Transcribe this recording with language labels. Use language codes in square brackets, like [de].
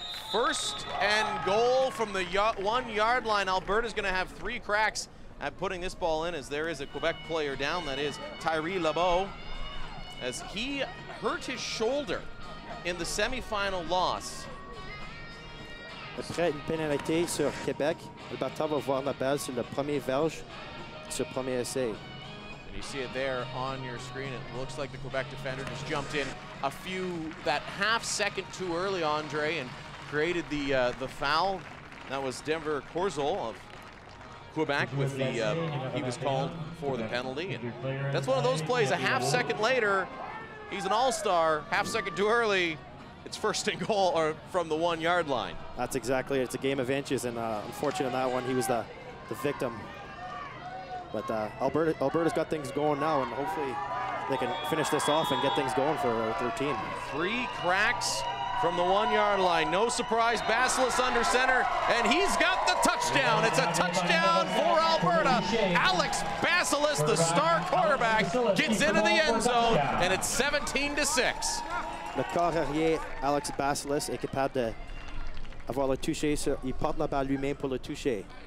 [en] First and goal from the 1 yard line. Alberta's going to have three cracks at putting this ball in, as there is a Quebec player down, that is Tyree Lebeau, as he hurt his shoulder in the semifinal loss. [fr] Après une pénalité sur Québec, Alberta va voir la balle sur le premier verge, sur premier essai. [en] And you see it there on your screen. It looks like the Quebec defender just jumped in a few, that half second too early, Andre, and created the foul. That was Denver Corzel of Quebec with the, he was called for the penalty. And that's one of those plays, a half second later, he's an all-star, half second too early, it's first and goal, or from the 1 yard line. That's exactly it. It's a game of inches, and unfortunately on that one, he was the victim. But Alberta's got things going now, and hopefully they can finish this off and get things going for their team. Three cracks from the 1 yard line. No surprise, Basilis under center, and he's got the touchdown. It's a touchdown for Alberta. Alex Basilis, the star quarterback, gets into the end zone, and it's 17-6. [fr] Le corps arrière Alex Basilis est capable de avoir le toucher. Il porte la balle lui-même pour le toucher.